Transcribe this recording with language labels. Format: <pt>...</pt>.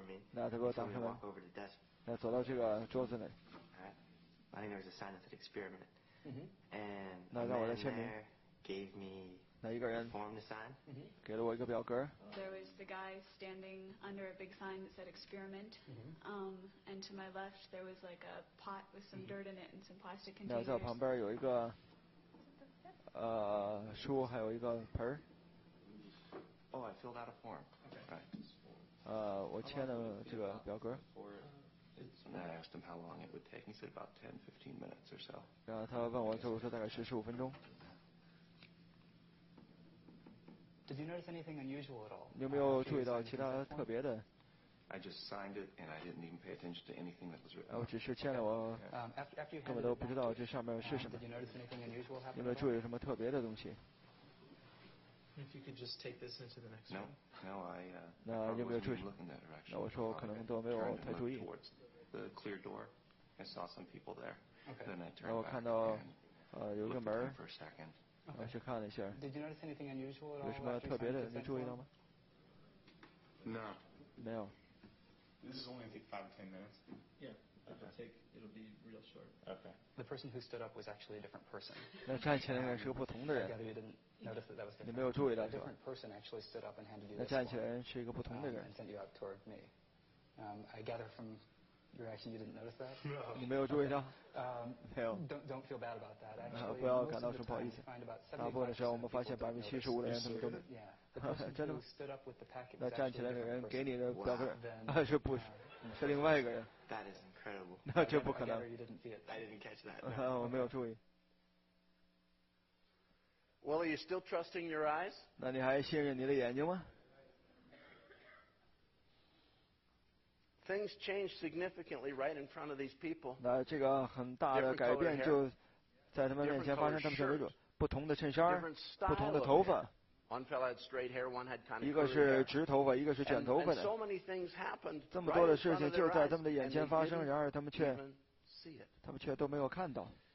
<zh>那他给我打开门，那走到这个桌子那。</zh> <en>I think there was a sign of an experiment.</en> <zh>And 那让我来签名。</zh> <en>Gave me</en> <zh>那一个人</zh> <en>form the sign.</en> <zh>给了我一个表格。</zh> <en>There was the guy standing under a big sign that said experiment. And to my left there was like a pot with some dirt in it and some plastic containers.</en> <zh>那在我旁边有一个书，还有一个盆。</zh> <en>Oh, I filled out a form.</en> <zh>我签了这个表格。</zh> <en>And I asked him how long it would take. He said about 10-15 minutes or so.</en> <zh>然后他问我，就说大概15分钟。</zh> <en>Did you notice anything unusual at all?</en> <zh>有没有注意到其他特别的</zh> <en>？I just signed it and I didn't even pay attention to anything that was written.</en> <zh>我只是签了，我根本都不知道这上面是什么。</zh> <en>Did you notice anything unusual happening?</en> <zh>有没有注意什么特别的东西</zh> <en>？If you could just take this into the next room. No, I.</en> <zh>那有没有注意？</zh> <en>Looking that direction.</en> <zh>那我说可能都没有太注意。</zh> <en>Towards the clear door, I saw some people there. Okay. Then I turned back.</en> <zh>我看到有一个门。</zh> <en>For a second.</en> <zh>我去看了一下。</zh> <en>Did you notice anything unusual at all?</en> <zh>有什么特别的？你注意到吗</zh> <en>？No.</en> <zh>没有。</zh> <en>This is only take 5 to 10 minutes. Yeah. It'll be real short. Okay. The person who stood up was actually a different person.</en> <zh>那站起来的人是个不同的人。你没有注意到是吧？</zh> <en>A different person actually stood up and handed you</en> <zh>this. 那站起来人是一个不同的人。</zh> <en>And sent you out toward me. I gather from your action you didn't notice that.</en> <zh>你没有注意到？</zh> <en>Okay. Don't feel bad about that. Actually,</en> <zh>不要感到什么不好意思。大部分的时候，我们发现75%的人他们都。真的吗？那站起来的人给你的表格是不是是另外一个人？那这不可能。我没有注意。</zh> <en>Well, are you still trusting your eyes?</en> <zh>那你还信任你的眼睛吗？</zh> <en>Things change significantly right in front of these people.</en> <zh>那这个很大的改变就在他们面前发生。他们穿着不同的衬衫，不同的头发。</zh> <en>One fellow had straight hair, one had kind of.</en> <zh>一个是直头发，一个是卷头发的。</zh> <en>And so many things happened.</en> <zh>这么多的事情就在他们的眼前发生，然而他们却都没有看到。</zh>